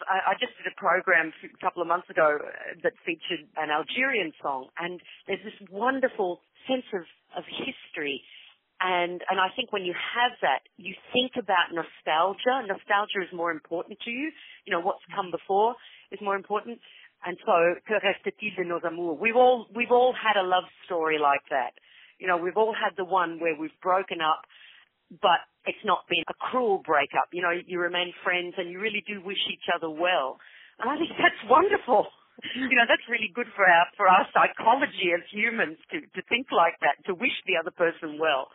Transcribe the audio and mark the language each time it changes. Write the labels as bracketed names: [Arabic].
[English] I just did a program a couple of months ago that featured an Algerian song, and there's this wonderful sense of history. And I think when you have that, you think about nostalgia. Nostalgia is more important to you. You know, what's come before is more important. And so, [French] que reste-t-il de nos amours? [English] We've all had a love story like that. You know, we've all had the one where we've broken up, but it's not been a cruel breakup. You know, you remain friends and you really do wish each other well. And I think that's wonderful. You know, that's really good for our psychology as humans to think like that, to wish the other person well.